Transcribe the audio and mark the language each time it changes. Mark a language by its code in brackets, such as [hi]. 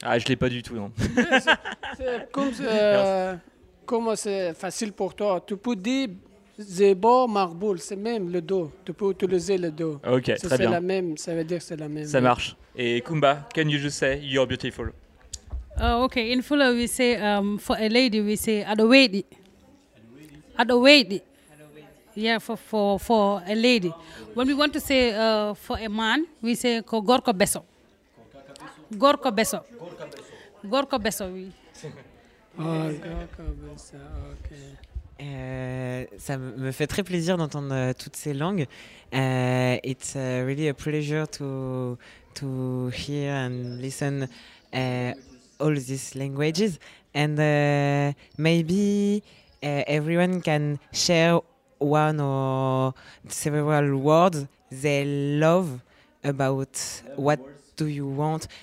[fr] Ah, je ne l'ai pas du tout, non. Comme c'est facile pour toi, tu peux dire. Zebo Marboul, c'est même le dos. Tu peux utiliser le dos. Ok, c'est, très bien. C'est la même, ça veut dire que c'est la même. Ça marche. [en] Et Kumba, can you just say you're beautiful? Ok, in Fula, we say, for a lady, we say Adowedi. Adowedi. Yeah, for a lady. When we want to say for a man, we say Ko Gorko Beso. Gorko Beso. Gorko Beso. Gorko Beso, oui. Oh, Gorko Beso, ok. [fr] Ça me fait très plaisir d'entendre toutes ces langues. [en] It's really a pleasure to hear and listen all these languages. And maybe everyone can share one or several words they love about what do you want.